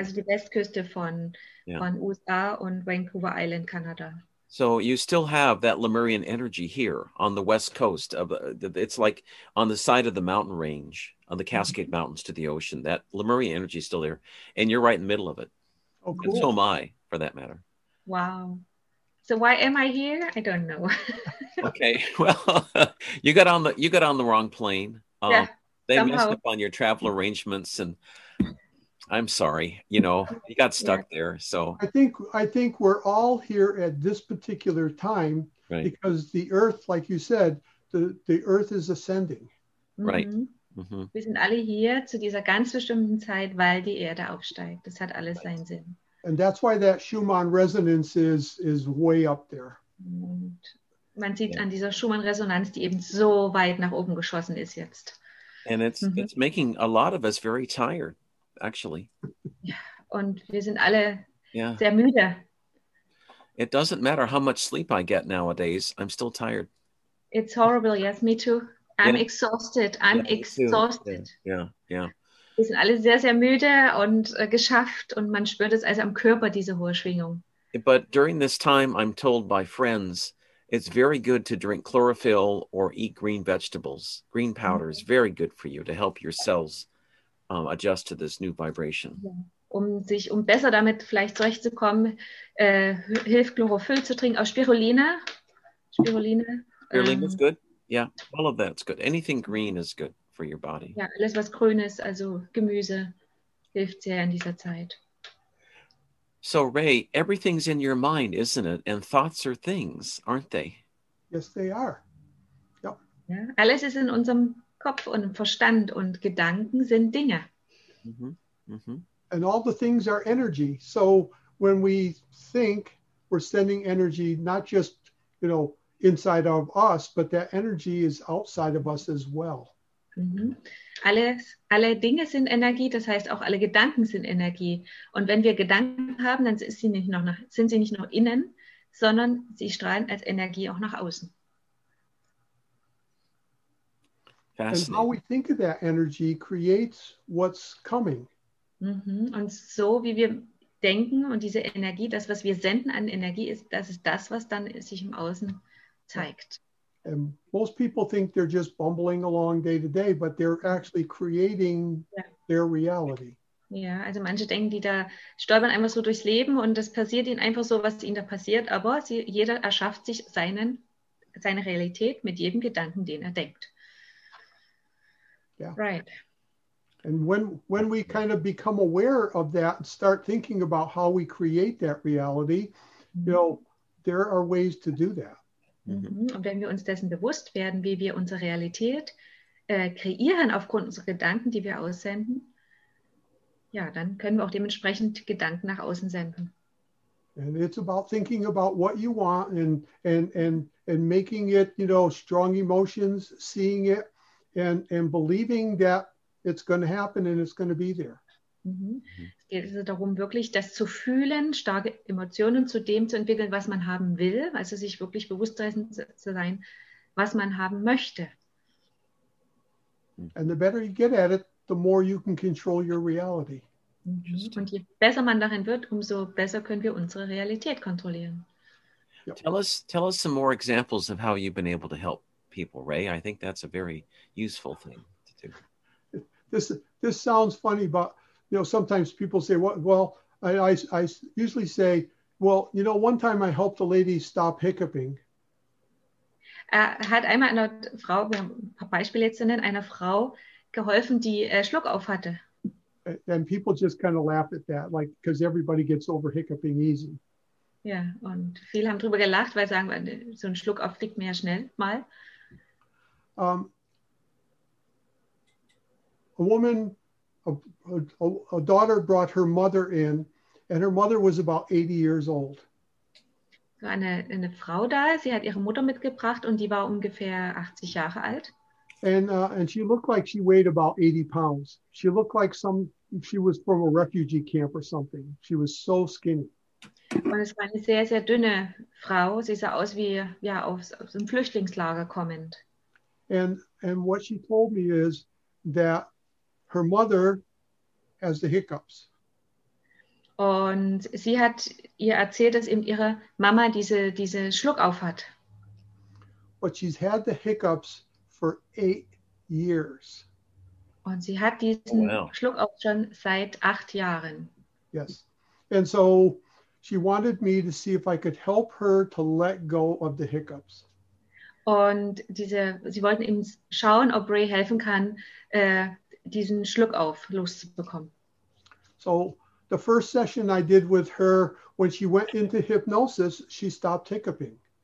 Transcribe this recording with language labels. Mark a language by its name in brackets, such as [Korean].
[German] Also die Westküste von USA und Vancouver Island, Kanada. [English] So you still have that Lemurian energy here on the west coast of it's like on the side of the mountain range, on the Cascade mm-hmm. Mountains to the ocean. That Lemurian energy is still there, and you're right in the middle of it. Oh, cool. And so am I, for that matter. Wow. So why am I here? I don't know. Okay. Well, you got on the wrong plane. They somehow messed up on your travel arrangements, and I'm sorry, you know, you got stuck there. So I think we're all here at this particular time, right, because the earth, like you said, the earth is ascending. Right. [German] Mm-hmm. Wir sind alle hier zu dieser ganz bestimmten Zeit, weil die Erde aufsteigt. Das hat alles [English] right. [German] seinen Sinn. [English] And that's why that Schumann resonance is way up there. [German] Und man sieht [English] yeah. [German] an dieser Schumann Resonanz, die eben so weit nach oben geschossen ist jetzt. [English] And it's mm-hmm. it's making a lot of us very tired. Actually, [German] und wir sind alle sehr müde. [English] It doesn't matter how much sleep I get nowadays, I'm still tired. It's horrible, yes, me too. I'm exhausted. Yeah. [German] Wir sind alle sehr, sehr müde und geschafft, und man spürt es also am Körper, diese hohe Schwingung. [English] But during this time, I'm told by friends, it's very good to drink chlorophyll or eat green vegetables. Green powder mm-hmm. is very good for you to help your cells adjust to this new vibration. [German] Um besser damit vielleicht zurechtzukommen, hilft Chlorophyll zu trinken, auch Spirulina. [English] Spirulina is good. Yeah, all of that's good. Anything green is good for your body. [German] Ja, alles was grün ist, also Gemüse, hilft sehr in dieser Zeit. [English] So Ray, everything's in your mind, isn't it? And thoughts are things, aren't they? Yes, they are. Yep. [German] Ja, alles ist in unserem Kopf und Verstand, und Gedanken sind Dinge. [English] And all the things are energy. So when we think, we're sending energy not just, you know, inside of us, but that energy is outside of us as well. Mm-hmm. [German] Alle Dinge sind Energie, das heißt auch alle Gedanken sind Energie. Und wenn wir Gedanken haben, dann sind sie nicht nur innen, sondern sie strahlen als Energie auch nach außen. [English] Fascinating. And how we think of that energy creates what's coming. Mm-hmm. [German] Und so wie wir denken und diese Energie, das was wir senden an Energie, ist das ist das, was dann sich im Außen zeigt. [English] And most people think they're just bumbling along day to day, but they're actually creating their reality. [German] Ja, also manche denken, die da stolpern einfach so durchs Leben und das passiert ihnen einfach so, was ihnen da passiert, aber jeder erschafft sich seine Realität mit jedem Gedanken, den er denkt. [English] Yeah. Right. And when we kind of become aware of that and start thinking about how we create that reality, you know, there are ways to do that. Mm-hmm. [German] Und wenn wir uns dessen bewusst werden, wie wir unsere Realität kreieren aufgrund unserer Gedanken, die wir aussenden, ja, dann können wir auch dementsprechend Gedanken nach außen senden. [English] And it's about thinking about what you want and making it, you know, strong emotions, seeing it. And believing that it's going to happen and it's going to be there. Mm-hmm. [German] Es geht also darum, wirklich das zu fühlen, starke Emotionen zu dem zu entwickeln, was man haben will, also sich wirklich bewusst dessen zu sein, was man haben möchte. [English] And the better you get at it, the more you can control your reality. Mm-hmm. [German] Und je besser man darin wird, umso besser können wir unsere Realität kontrollieren. [English] Yep. Tell us some more examples of how you've been able to help people, Ray. I think that's a very useful thing to do. This sounds funny, but you know, sometimes people say, I usually say, well, you know, one time I helped a lady stop hiccuping. [German] Hat einmal einer Frau, wir haben ein paar Beispiele jetzt zu nennen, einer Frau geholfen, die Schluck auf hatte. [English] And people just kind of laugh at that, like, because everybody gets over hiccuping easy. [German] Ja, und viele haben drüber gelacht, weil sagen, so ein Schluck auf kriegt man ja schnell mal. [English] A woman, a daughter brought her mother in, and her mother was about 80 years old. [German] So eine Frau da, sie hat ihre Mutter mitgebracht und die war ungefähr 80 Jahre alt. [English] And she looked like she weighed about 80 pounds. She looked like she was from a refugee camp or something. She was so skinny. [German] Und es war eine sehr, sehr dünne Frau. Sie sah aus wie, ja, aus einem Flüchtlingslager kommend. [English] And what she told me is that her mother has the hiccups. [German] Und sie hat ihr erzählt, dass eben ihre Mama diese Schluckauf hat. [English] But she's had the hiccups for 8 years. [German] Und sie hat diesen Schluckauf schon seit 8 Jahren. [English] Yes. And so she wanted me to see if I could help her to let go of the hiccups. [German] Und sie wollten eben schauen, ob Ray helfen kann, diesen Schluckauf loszubekommen. [English] So the first session I did with her, when she went into hypnosis, she stopped hiccuping.